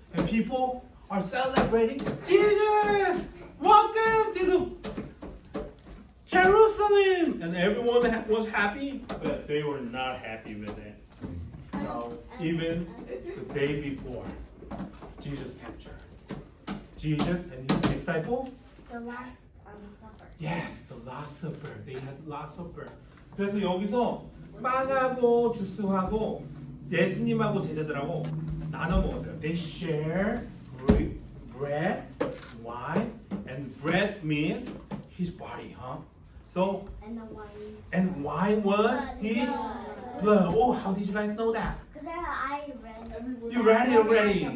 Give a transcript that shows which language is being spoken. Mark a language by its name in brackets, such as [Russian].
[English] And people are celebrating. Jesus, welcome to the Jerusalem. And everyone was happy, but they were not happy with it. So even the day before Jesus' capture, Jesus and his disciple, the Last Supper. Yes, the Last Supper. They had Last Supper. [Korean] 그래서 여기서 빵하고 주스하고 예수님하고 제자들하고 나눠 먹었어요. [English] They share bread, wine, and bread means his body, huh? So, and the wine. And wine was his blood. Oh, how did you guys know that? Because I read it. You read it already.